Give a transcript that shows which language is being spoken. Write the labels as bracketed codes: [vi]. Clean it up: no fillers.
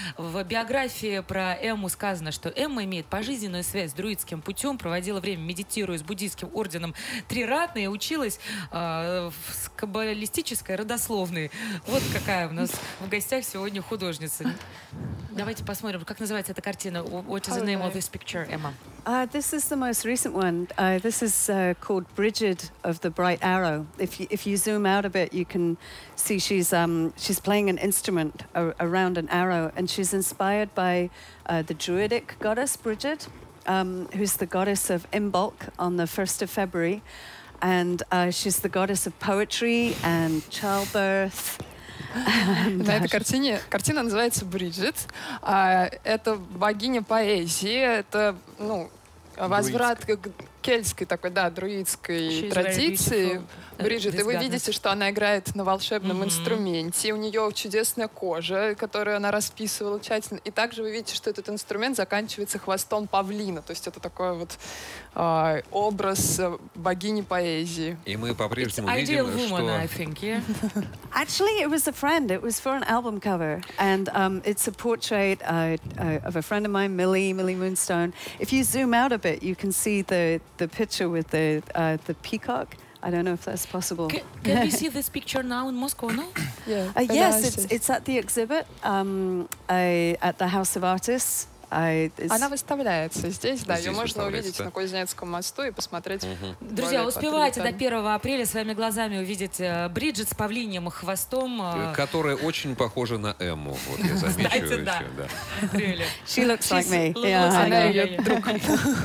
[ru] В биографии про Эмму сказано, что Эмма имеет пожизненную связь с друидским путем, проводила время, медитируя с буддийским орденом Триратна, и училась в каббалистической родословной. Вот какая у нас в гостях сегодня художница. Давайте посмотрим, как называется эта картина. [en] What is the name of this picture, Emma? This is the most recent one. This is called Brigid of the Bright Arrow. If you zoom out a bit, you can see she's playing an instrument around an arrow, and she's inspired by the druidic goddess Brigid. Who's the goddess of Imbolc on the 1st of February. And she's the goddess of poetry and childbirth. [ru] На этой картине, картина называется «Бриджит». Это богиня поэзии, это, ну, возврат к кельтской такой, да, друидской традиции. Бриджит, и вы видите, что она играет на волшебном инструменте, у нее чудесная кожа, которую она расписывала тщательно, и также вы видите, что этот инструмент заканчивается хвостом павлина, то есть это такой вот образ богини поэзии. И мы по-прежнему видим, [en] ideal woman, [ru] что... [en] I think, yeah. Actually, it was a friend, it was for an album cover, and it's a portrait of a friend of mine, Millie Moonstone. If you zoom out a bit, you can see the picture with the peacock. I don't know if that's possible. Can we see this picture now in Moscow, no? Yes, it's at the exhibit at the House of Artists [ru] Она выставляется здесь, да, ее можно увидеть на Кузнецком мосту и посмотреть. Угу. Друзья, успевайте до 1 апреля своими глазами увидеть Бриджит с павлиньем и хвостом. Которая очень похожа на Эмму, вот я замечаю. Кстати, да. [en] She looks like me.